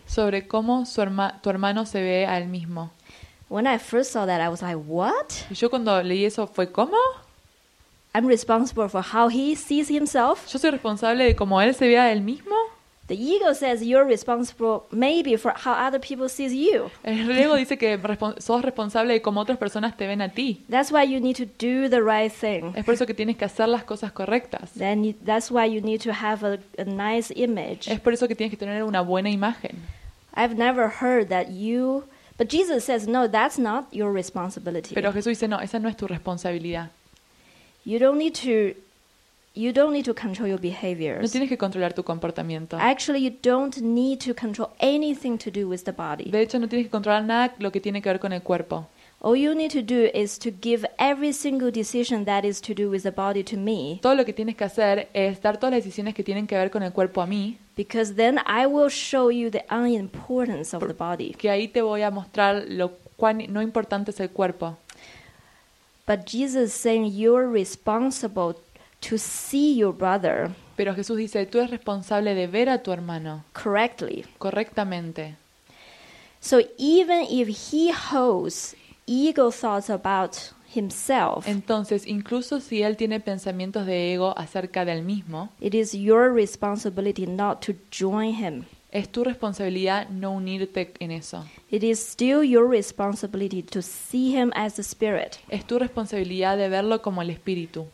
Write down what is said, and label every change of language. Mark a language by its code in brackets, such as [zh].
[es] Sobre cómo tu hermano se ve a él mismo. [en] When I first saw that, I was like, "What?" [es] Y yo cuando leí eso fue ¿cómo? [en] I'm responsible for how he sees himself. [es] Yo soy responsable de cómo él se ve a él mismo. [en] The ego says you're responsible, maybe, for how other people see you. [es] El ego dice que sos responsable de cómo otras personas te ven a ti. [en] That's why you need to do the right thing. [es] Es por eso que tienes que hacer las cosas correctas. [en] Then that's why you need to have a nice image. [es] Es por eso que tienes que tener una buena imagen. [en] I've never heard that you, but Jesus says no, that's not your responsibility. [es] Pero Jesús dice no, esa no es tu responsabilidad. [en] You don't need to control your behaviors. [es] No tienes que controlar tu comportamiento. [en] Actually, you don't need to control anything to do with the body. [es] De hecho, no tienes que controlar nada lo que tiene que ver con el cuerpo. [en] All you need to do is to give every single decision that is to do with the body to me. [es] Todo lo que tienes que hacer es dar todas las decisiones que tienen que ver con el cuerpo a mí. [en] Because then I will show you the unimportance of the body. [es] Que ahí te voy a mostrar lo cuán no importante es el cuerpo. [en] But Jesus is saying you're responsible to see your brother. [es] Pero Jesús dice, tú eres responsable de ver a tu hermano. [en] Correctly. [es] Correctamente. [en] So even if he holds ego thoughts about himself. [es] Entonces, incluso si él tiene pensamientos de ego acerca del mismo. [en] It is your responsibility not to join him. [es] Es tu responsabilidad no unirte en eso. [en] It is still your responsibility to see him as the spirit. [es] Es tu responsabilidad de verlo como el espíritu.